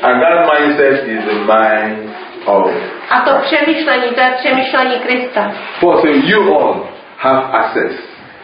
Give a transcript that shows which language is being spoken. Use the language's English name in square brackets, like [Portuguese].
[English] And that mindset is the mind of. [Czech] A to přemýšlení, to je přemýšlení Krista. [English] For so you all have access.